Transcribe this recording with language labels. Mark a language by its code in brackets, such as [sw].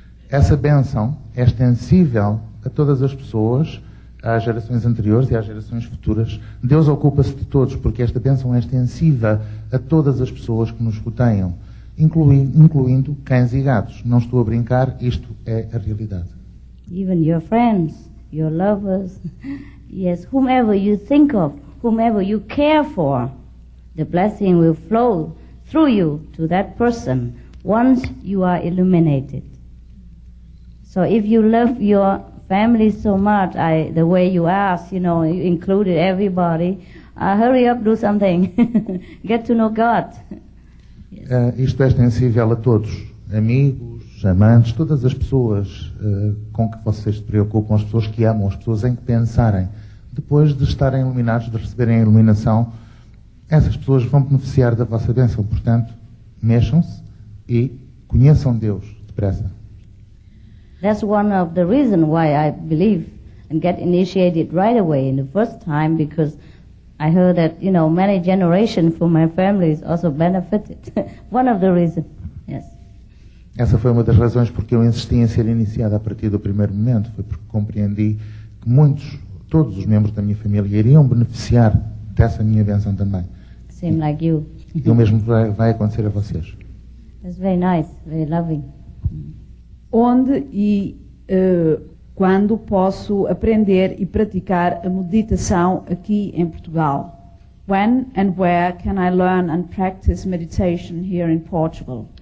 [pt] Essa bênção é extensível a todas as pessoas, às gerações anteriores e às gerações futuras. Deus ocupa-se de todos, porque esta bênção é extensiva a todas as pessoas que nos rodeiam, incluindo cães e gatos. Não estou a brincar, isto é a realidade. [en] Even your friends, your lovers, yes, whomever you think of, whomever you care for, The blessing will flow through you to that person once you are illuminated. So if you love your family so much, the way you ask, you know, you included everybody, hurry up, do something. Get to know God. [pt] Yes. Isto é extensível a todos. Amigos, amantes, todas as pessoas com que vocês se preocupam, as pessoas que amam, as pessoas em que pensarem, depois de estarem iluminados, de receberem a iluminação, essas pessoas vão beneficiar da vossa bênção. Portanto, mexam-se e conheçam Deus depressa. [en] That's one of the reasons why I believe and get initiated right away in the first time, because I heard that, you know, many generations from my family is also benefited. One of the reasons, yes. [pt] Essa foi uma das razões porque eu insisti em ser iniciada a partir do primeiro momento, foi porque compreendi que muitos, todos os membros da minha família iriam beneficiar dessa minha bênção também. [en] Same like you. [pt] E o mesmo vai acontecer a vocês. [en] That's very nice, very loving. [pt] Onde e quando posso aprender e praticar a meditação aqui em Portugal? [en] When and where can I learn and practice meditation here in Portugal?